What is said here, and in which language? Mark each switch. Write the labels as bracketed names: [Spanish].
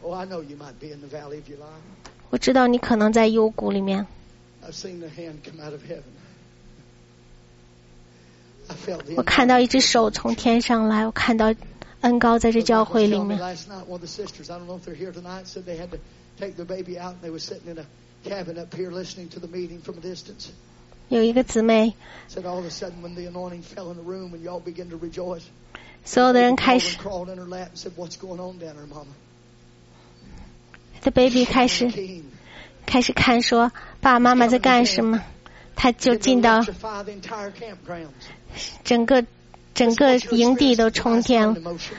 [English] Oh, I know you might be in the valley of your life. [Chinese] 我知道你可能在幽谷里面。 [English] I've seen the hand come out of heaven. I felt the. [Chinese] 我看到一只手从天上来，我看到恩膏在这教会里面。 [English] Last night, one of the sisters, I don't know if they're here tonight, said they had to take their baby out, and they were sitting in a cabin up here listening to the meeting from a distance. [Chinese] 有一个姊妹。 [English] Said all of a sudden, when the anointing fell in the room, and y'all began to rejoice. [Chinese] 所有的人开始 [English] The baby [Chinese] 开始看说爸爸妈妈在干什么，他就进到整个营地都冲天了。